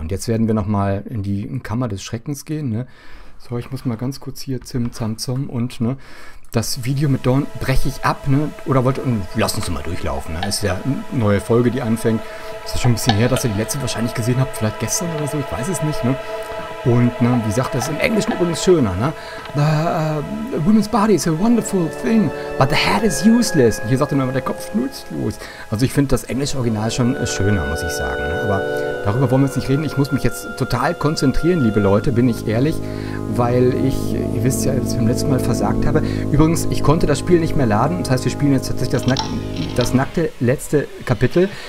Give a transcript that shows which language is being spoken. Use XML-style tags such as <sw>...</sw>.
<de>Und jetzt werden wir nochmal in die Kammer des Schreckens gehen. Ne? So, ich muss mal ganz kurz hier zim, zam, zum. Und ne, das Video mit Dawn breche ich ab. Ne? Oder wollt ihr... Lass uns mal durchlaufen. Ne? Ist ja eine neue Folge, die anfängt. Ist das schon ein bisschen her, dass ihr die letzte wahrscheinlich gesehen habt. Vielleicht gestern oder so, ich weiß es nicht. Ne? Und ne, wie sagt das im Englischen übrigens schöner, ne?</de> <en>The woman's body is a wonderful thing, but the head is useless.</en> <de>Hier sagt er immer, der Kopf nutzlos. Also ich finde das englische Original schon schöner, muss ich sagen. Ne? Aber darüber wollen wir jetzt nicht reden. Ich muss mich jetzt total konzentrieren, liebe Leute, bin ich ehrlich. Weil ich, ihr wisst ja, dass ich beim letzten Mal versagt habe. Übrigens, ich konnte das Spiel nicht mehr laden. Das heißt, wir spielen jetzt tatsächlich das nackte letzte Kapitel.</de>